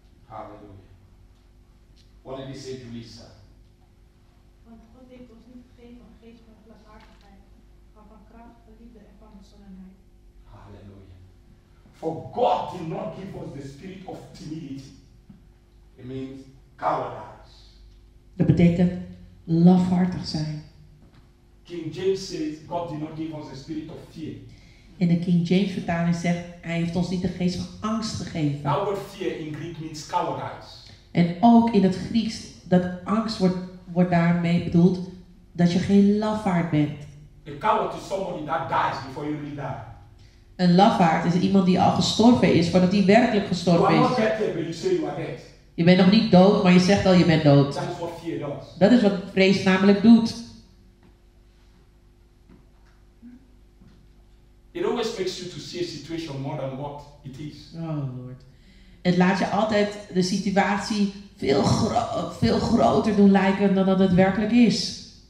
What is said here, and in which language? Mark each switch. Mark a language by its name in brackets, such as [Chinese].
[English] Hallelujah. What did he say to Lisa? Hallelujah. For God did not give us the spirit of timidity. It means cowardice. [Dutch] Dat betekent lafhartig zijn. [English] King James says God did not give us a spirit of fear. [Dutch] In de King James vertaling zegt hij heeft ons niet de geest van angst gegeven. [English] That word fear in Greek means cowardice. [Dutch] En ook in het Grieks dat angst wordt daarmee bedoeld dat je geen lafaard bent. [English] A coward is somebody that dies before you really die. [Dutch] Een lafaard is iemand die al gestorven is voordat hij werkelijk gestorven is. [English] You are not dead, but you say you are dead. [Dutch] Je bent nog niet dood, maar je zegt al je bent dood. [English] That is what fear does. [Dutch] Dat is wat vrees namelijk doet. [English] It always makes you to see a situation more than what it is. Oh Lord. [Dutch] Het laat je altijd de situatie veel groter doen lijken dan dat het werkelijk is.